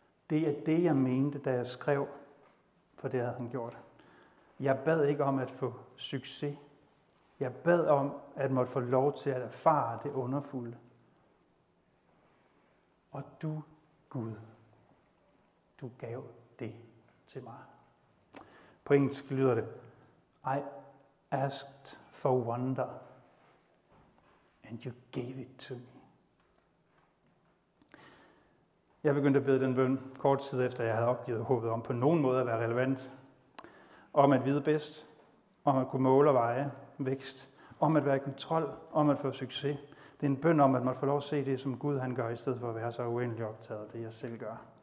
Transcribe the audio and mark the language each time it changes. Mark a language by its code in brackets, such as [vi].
[da] Det er det, jeg mente, da jeg skrev, for det havde han gjort. Jeg bad ikke om at få succes. Jeg bad om at måtte få lov til at erfare det underfulde. Og du, Gud, du gav det til mig. På engelsk lyder det, [en] I asked for wonder, and you gave it to me. [da] Jeg begyndte at bede den bøn kort tid efter, jeg havde opgivet håbet om på nogen måde at være relevant. Om at vide bedst, om at kunne måle og veje vækst, om at være i kontrol, om at få succes. Det er en bøn om, at man får lov at se det, som Gud han gør, i stedet for at være så uendelig optaget af det, jeg selv gør.